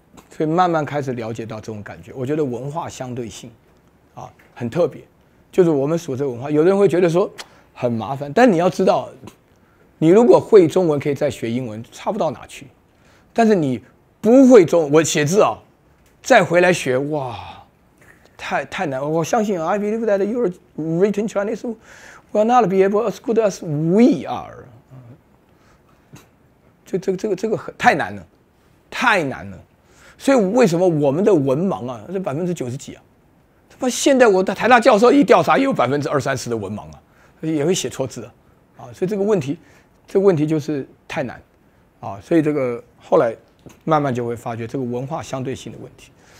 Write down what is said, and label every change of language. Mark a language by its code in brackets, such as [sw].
[zh] 所以慢慢开始了解到这种感觉，我觉得文化相对性啊很特别，就是我们所在文化，有的人会觉得说很麻烦，但你要知道，你如果会中文，可以再学英文，差不到哪去。但是你不会中文，我写字啊，再回来学，哇，太难。我相信 ， [en] I believe that your written Chinese will not be able as good as we are。 [zh] 这个太难了，太难了。所以为什么我们的文盲啊，这90%几啊？他妈现在我的台大教授一调查，也有20%-30%的文盲啊，也会写错字啊。啊，所以这个问题就是太难。啊，所以这个后来慢慢就会发觉这个文化相对性的问题。